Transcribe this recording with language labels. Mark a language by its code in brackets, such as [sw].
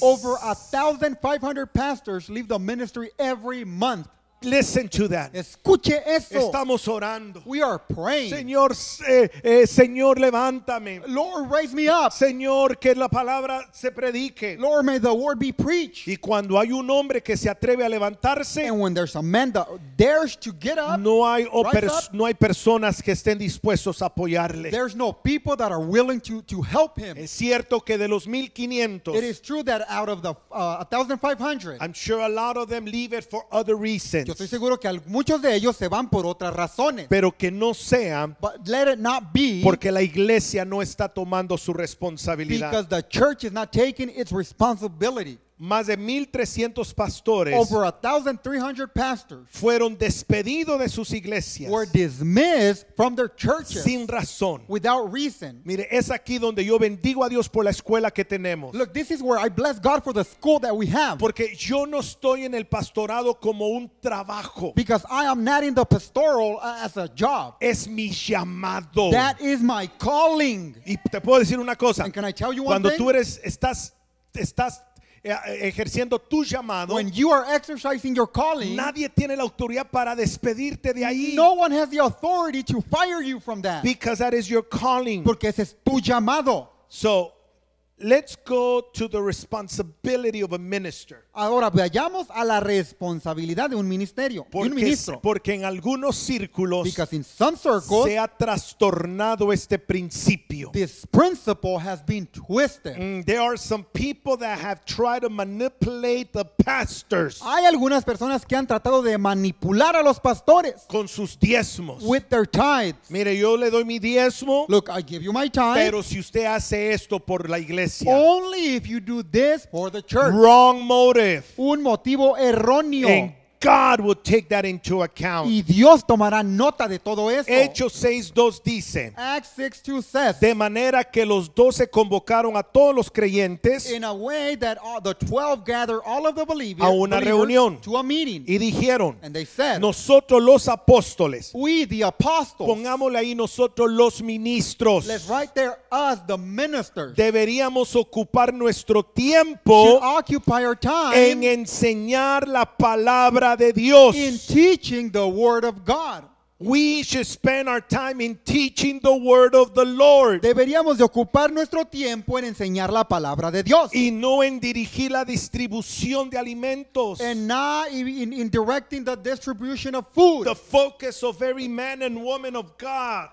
[en] Over 1,500 pastors leave the ministry every month. Listen to that. [es] Escuche eso. Estamos orando. [en] We are praying. [es] Señor, Señor, levántame. [en] Lord, raise me up. [es] Señor, que la palabra se predique. [en] Lord, may the word be preached. [es] Y cuando hay un hombre que se atreve a levantarse, [en] and when there's a man that dares to get up, [es] no hay personas que estén dispuestos a apoyarle. [en] There's no people that are willing to help him. [es] Es cierto que de los 1,500, [en] it is true that out of the 1,500, I'm sure a lot of them leave it for other reasons. [es] Yo estoy seguro que muchos de ellos se van por otras razones. Pero que no sea, [en] but let it not be, [es] porque la iglesia no está tomando su responsabilidad. [en] Because the church is not taking its responsibility. [es] más de 1,300 pastores, [en] over 1,300 pastors, [es] fueron despedidos de sus iglesias, [en] were dismissed from their churches, [es] sin razón, [en] without reason. [es] Mire, es aquí donde yo bendigo a Dios por la escuela que tenemos. [en] Look, this is where I bless God for the school that we have. [es] Porque yo no estoy en el pastorado como un trabajo. [en] Because I am not in the pastoral as a job. [es] Es mi llamado. [en] That is my calling. [es] Y te puedo decir una cosa. [en] And can I tell you one [es] cuando [en] thing? [es] Tú eres estás ejerciendo tu llamado, [en] when you are exercising your calling, [es] nadie tiene la autoridad para despedirte de ahí. [en] No one has the authority to fire you from that. Because that is your calling. [es] Porque ese es tu llamado. [en] So, let's go to the responsibility of a minister. [es] Ahora vayamos a la responsabilidad de un ministerio, porque, un ministro. Porque en algunos círculos, [en] because in some circles, [es] se ha trastornado este principio. [en] This principle has been twisted. There are some people that have tried to manipulate the pastors. [es] Hay algunas personas que han tratado de manipular a los pastores con sus diezmos. [en] With their tithes. [es] Mire, yo le doy mi diezmo. [en] Look, I give you my tithe. [es] Pero si usted hace esto por la iglesia, [en] only if you do this for the church. Wrong motive. [es] Un motivo erróneo. [en] And God will take that into account. [es] Y Dios tomará nota de todo eso. Hechos 6:2 dice. [en] Acts 6:2 says. [es] De manera que los 12 convocaron a todos los creyentes. [en] In a way that all, the 12 gathered all of the believers. [es] A una reunión. [en] To a meeting. [es] Y dijeron. [en] And they said. [es] Nosotros los apóstoles. [en] We the apostles. [es] Pongámosle ahí nosotros los ministros. [en] Let's write there us the ministers. [es] Deberíamos ocupar nuestro tiempo. [en] To occupy our time. [es] En enseñar la palabra de Dios. [en] In teaching the word of God. We should spend our time in teaching the word of the Lord. [es] Deberíamos de ocupar nuestro tiempo en enseñar la palabra de Dios. Y no en dirigir la distribución de alimentos. [en] And not in directing the distribution of food. The focus of every man and woman of God.